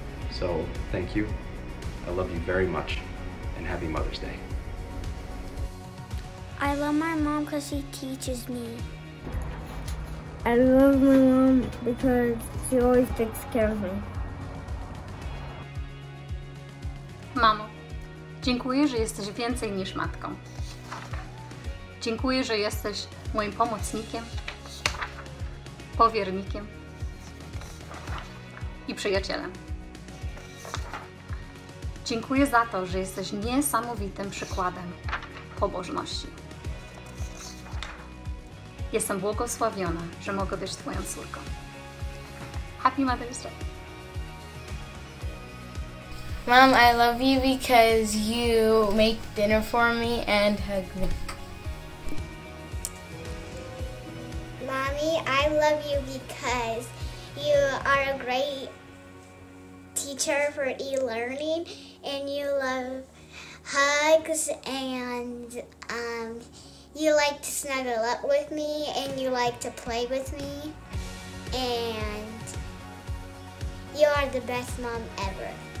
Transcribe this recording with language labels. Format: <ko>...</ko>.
<en>So thank you, I love you very much, and happy Mother's Day. I love my mom because she teaches me. I love my mom because she always takes care of me.</en> <pl>Mama, Dziękuję, że jesteś więcej niż matką. Dziękuję, że jesteś moim pomocnikiem, powiernikiem i przyjacielem. Dziękuję za to, że jesteś niesamowitym przykładem pobożności. Jestem błogosławiona, że mogę być Twoją córką.</pl> <en>Happy Mother's Day! Mom, I love you because you make dinner for me and hug me. Mommy, I love you because you are a great teacher for e-learning and you love hugs and you like to snuggle up with me and you like to play with me and you are the best mom ever.</en>